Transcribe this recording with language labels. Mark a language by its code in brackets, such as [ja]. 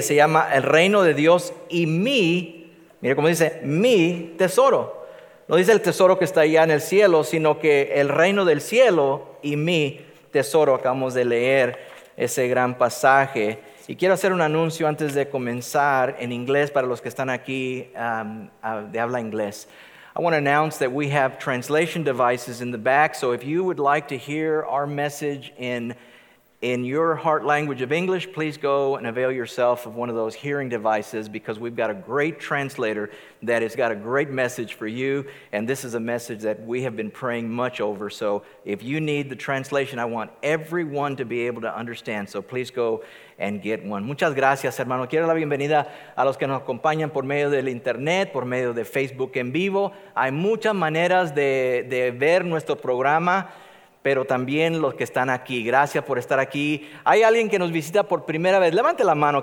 [es] Se llama El Reino de Dios y mi, mire cómo dice, mi tesoro. No dice el tesoro que está allá en el cielo, sino que el reino del cielo y mi tesoro. Acabamos de leer ese gran pasaje. Y quiero hacer un anuncio antes de comenzar en inglés para los que están aquí de habla inglés. [en] I want to announce that we have translation devices in the back. So if you would like to hear our message in your heart language of English, please go and avail yourself of one of those hearing devices, because we've got a great translator that has got a great message for you. And this is a message that we have been praying much over. So if you need the translation, I want everyone to be able to understand. So please go and get one. [es] Muchas gracias, hermano. Quiero la bienvenida a los que nos acompañan por medio del internet, por medio de Facebook en vivo. Hay muchas maneras de ver nuestro programa, pero también los que están aquí. Gracias por estar aquí. Hay alguien que nos visita por primera vez. Levante la mano.